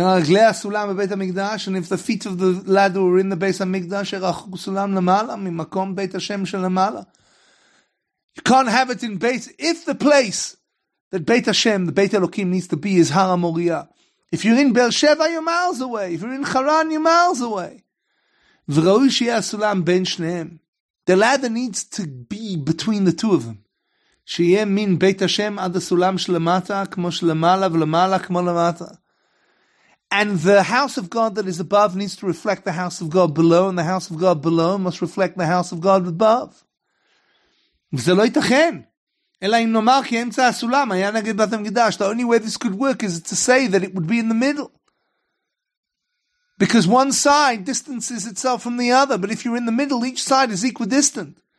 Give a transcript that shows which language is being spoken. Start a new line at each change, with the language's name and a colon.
English: And if the feet of the ladder were in the Beis HaMikdash, you can't have it in Beit. If the place that Beit Hashem, the Beit Elokim, needs to be is Har HaMoriah, if you're in Be'er Sheva, you're miles away. If you're in Haran, you're miles away. The ladder needs to be between the two of them.
Hebrew: שיהיה מין בית השם עד הסולם שלמטה, כמו שלמעלה ולמעלה כמו למטה.
English: And the house of God that is above needs to reflect the house of God below, and the house of God below must reflect the house of God above.
Hebrew: וזה לא ייתכן, אלא אם נאמר כי אמצע הסולם היה נגד בית המקדש.
English: The only way this could work is to say that it would be in the middle. Because one side distances itself from the other, but if you're in the middle, each side is equidistant.